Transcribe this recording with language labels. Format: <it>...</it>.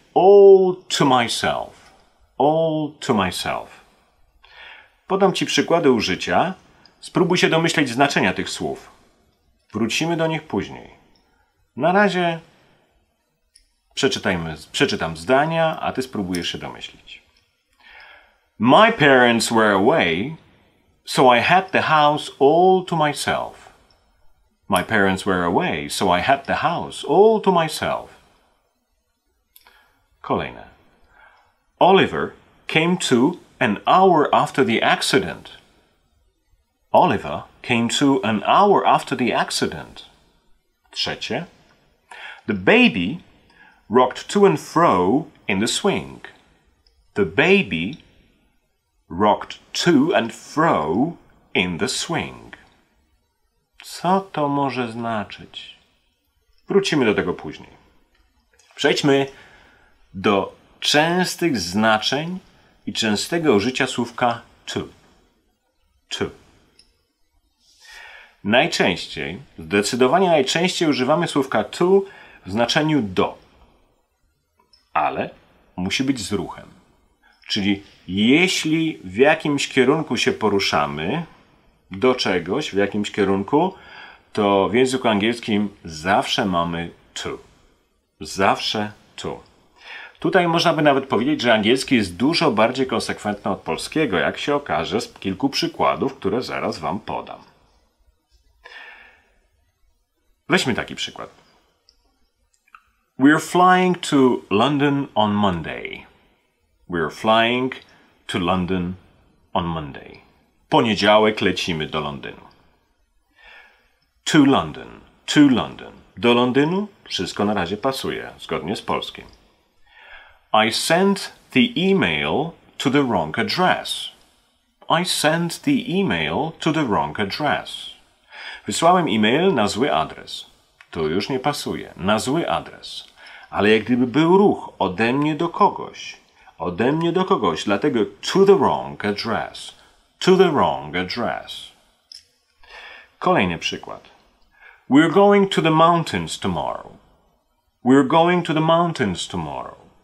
<en>All to myself. All to myself.</en> <pl>Podam Ci przykłady użycia. Spróbuj się domyśleć znaczenia tych słów. Wrócimy do nich później. Na razie przeczytam zdania, a Ty spróbujesz się domyślić.</pl> <en>My parents were away, so I had the house all to myself. My parents were away, so I had the house all to myself.</en> <pl>Kolejne.</pl> <en>Oliver came to an hour after the accident. Oliver came to an hour after the accident.</en> <pl>Trzecie.</pl> <en>The baby rocked to and fro in the swing. The baby rocked to and fro in the swing.</en> <pl>Co to może znaczyć? Wrócimy do tego później. Przejdźmy do częstych znaczeń i częstego użycia słówka to. To. Najczęściej, zdecydowanie najczęściej używamy słówka to w znaczeniu do. Ale musi być z ruchem. Czyli jeśli w jakimś kierunku się poruszamy do czegoś, w jakimś kierunku, to w języku angielskim zawsze mamy to. Zawsze to. Tutaj można by nawet powiedzieć, że angielski jest dużo bardziej konsekwentny od polskiego, jak się okaże z kilku przykładów, które zaraz Wam podam. Weźmy taki przykład.</pl> <en>We're flying to London on Monday. We're flying to London on Monday.</en> <pl>Poniedziałek lecimy do Londynu.</pl> <en>To London. To London.</en> <pl>Do Londynu wszystko na razie pasuje, zgodnie z polskim.</pl> <en>I sent the email to the wrong address. I sent the email to the wrong address.</en> <pl>Wysłałem e-mail na zły adres. To już nie pasuje. Na zły adres. Ale jak gdyby był ruch ode mnie do kogoś. Ode mnie do kogoś. Dlatego</pl> <en>to the wrong address. To the wrong address.</en> <pl>Kolejny przykład.</pl> <en>We're going to the mountains tomorrow. We're going to the mountains tomorrow.</en>